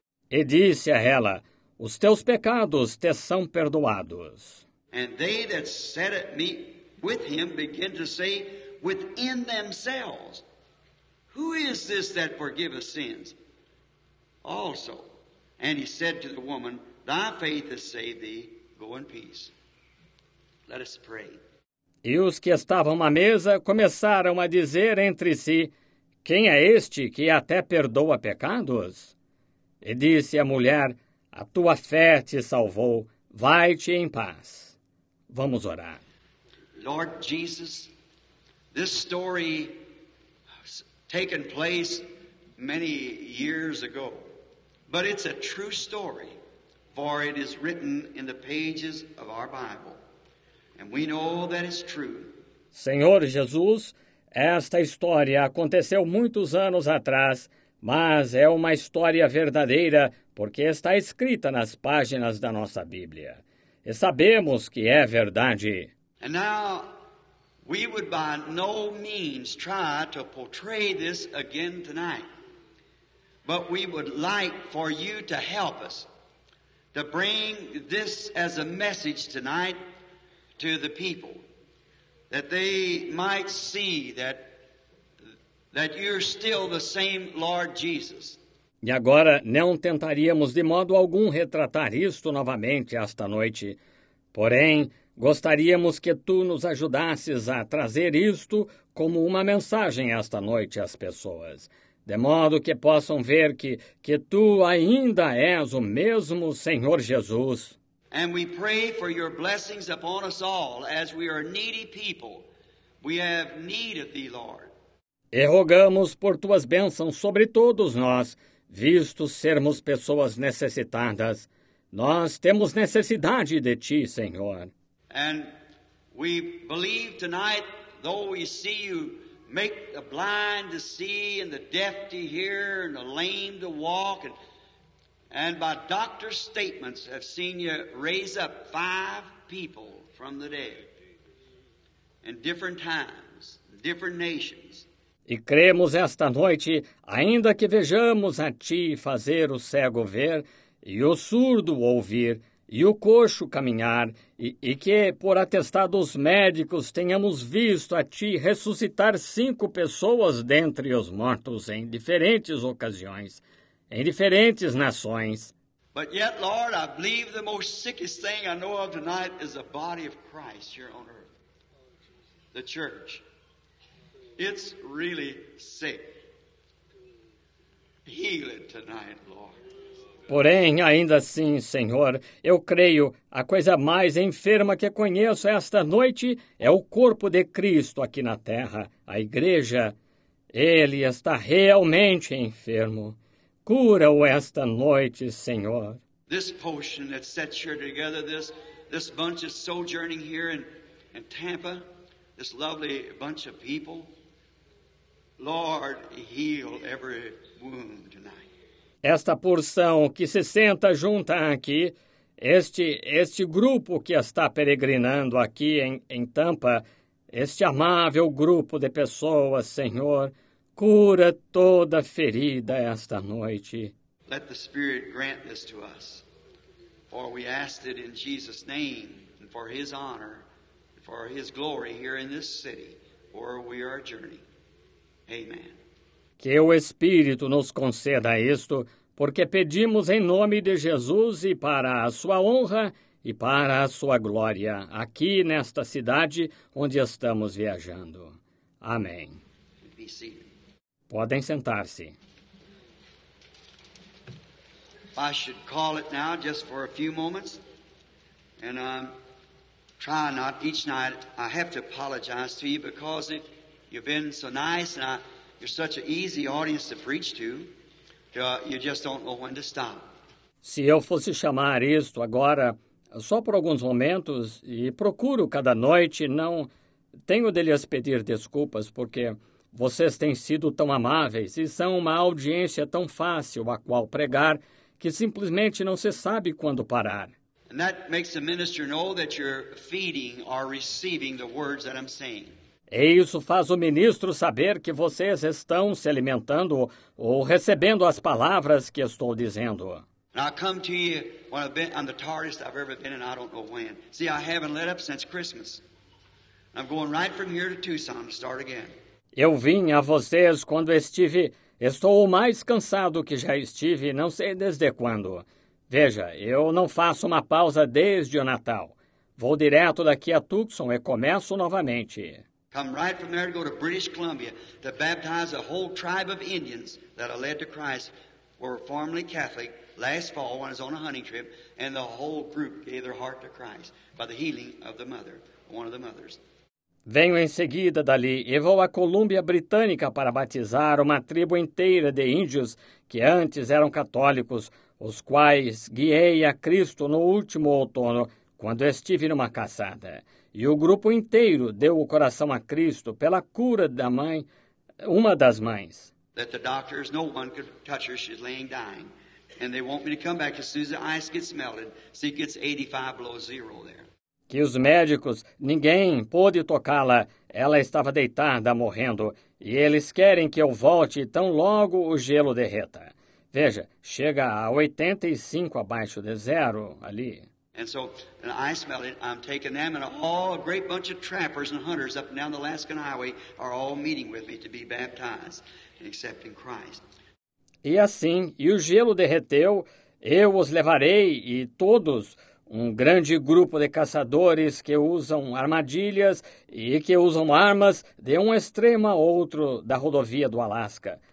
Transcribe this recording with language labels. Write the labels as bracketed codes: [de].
[pt] E disse a ela, os teus pecados te são perdoados. [en] And they that sat at meat with him began to say within themselves, who is this that forgiveth sins? Also, and he said to the woman, thy faith has saved thee, go in peace. Let us pray. [pt] E os que estavam à mesa começaram a dizer entre si, quem é este que até perdoa pecados? E disse a mulher, a tua fé te salvou, vai-te em paz. Vamos orar. [en] Lord Jesus, this story has taken place many years ago. But it's a true story, for it is written in the pages of our Bible. And we know that it's true. [pt] Senhor Jesus, esta história aconteceu muitos anos atrás, mas é uma história verdadeira porque está escrita nas páginas da nossa Bíblia. E sabemos que é verdade. [en] And now, we would by no means try to portray this again tonight. But we would like for you to help us to bring this as a message tonight to the people, that they might see that you're still the same Lord Jesus. [pt] E agora não tentaríamos de modo algum retratar isto novamente esta noite. Porém, gostaríamos que tu nos ajudasses a trazer isto como uma mensagem esta noite às pessoas, de modo que possam ver que tu ainda és o mesmo Senhor Jesus. [en] And we pray for your blessings upon us all, as we are needy people. We have need of thee, Lord. [pt] E rogamos por tuas bênçãos sobre todos nós, visto sermos pessoas necessitadas. Nós temos necessidade de ti, Senhor. [en] And we believe tonight, though we see you, make the blind to see and the deaf to hear and the lame to walk. And by doctor's statements have seen you raise up 5 people from the dead in different times, different nations. [pt] E cremos esta noite, ainda que vejamos a ti fazer o cego ver e o surdo ouvir, e o coxo caminhar, e que, por atestado dos médicos, tenhamos visto a ti ressuscitar 5 pessoas dentre os mortos em diferentes ocasiões, em diferentes nações. [en] But yet, Lord, I believe the most sickest thing I know of tonight is the body of Christ here on earth, the church. It's really sick. Heal it tonight, Lord. [pt] Porém, ainda assim, Senhor, eu creio, a coisa mais enferma que conheço esta noite é o corpo de Cristo aqui na terra, a igreja. Ele está realmente enfermo. Cura-o esta noite, Senhor. [en] This potion that sets you together, this bunch of sojourning here in Tampa, this lovely bunch of people, Lord, heal every wound tonight. [pt] Esta porção que se senta junta aqui, este grupo que está peregrinando aqui em Tampa, este amável grupo de pessoas, Senhor, cura toda ferida esta noite. [en] Let the Spirit grant this to us, for we ask it in Jesus' name, and for His honor, and for His glory here in this city, where we are journeying. Amen. [pt] Que o Espírito nos conceda isto, porque pedimos em nome de Jesus e para a sua honra e para a sua glória, aqui nesta cidade onde estamos viajando. Amém. Podem sentar-se. [en] I should call it now just for a few moments, and try not each night. I have to apologize to you because you've been so nice and you're such an easy audience to preach to. You just don't know when to stop. [pt] Se eu fosse chamar isto agora só por alguns momentos e procuro cada noite, não tenho de lhes pedir desculpas porque vocês têm sido tão amáveis e são uma audiência tão fácil a qual pregar que simplesmente não se sabe quando parar. [en] And that makes the minister know that you're feeding or receiving the words that I'm saying. [pt] E isso faz o ministro saber que vocês estão se alimentando ou recebendo as palavras que estou dizendo. [en] Now I come to you when I've been on the tardiest I've ever been, and I don't know when. See, I haven't let up since Christmas. I'm going right from here to Tucson to start again. [pt] Eu vim a vocês quando estou o mais cansado que já estive, não sei desde quando. Veja, eu não faço uma pausa desde o Natal. Vou direto daqui a Tucson e começo novamente. [en] Come right from there to go to British Columbia to baptize a whole tribe of Indians that I led to Christ were formerly Catholic last fall when I was on a hunting trip, and the whole group gave their heart to Christ by the healing of the mother, one of the mothers. [pt] Venho em seguida dali e vou à Colúmbia Britânica para batizar uma tribo inteira de índios que antes eram católicos, os quais guiei a Cristo no último outono, quando estive numa caçada. E o grupo inteiro deu o coração a Cristo pela cura da mãe, uma das mães. [en] That the doctors, no one could touch her, she's laying dying. And they want me to come back as soon as the ice gets melted, see it gets 85 below zero there. [pt] Que os médicos, ninguém pôde tocá-la, ela estava deitada, morrendo, e eles querem que eu volte tão logo o gelo derreta. Veja, chega a 85 abaixo de zero ali. [en] And so, and I smell it, I'm taking them and all a great bunch of trappers and hunters up and down the Alaskan Highway are all meeting with me to be baptized and accepting Christ. [pt] E assim, e o gelo derreteu, eu os levarei e todos, um grande grupo de caçadores que usam armadilhas e que usam armas de um extremo a outro da rodovia do Alasca.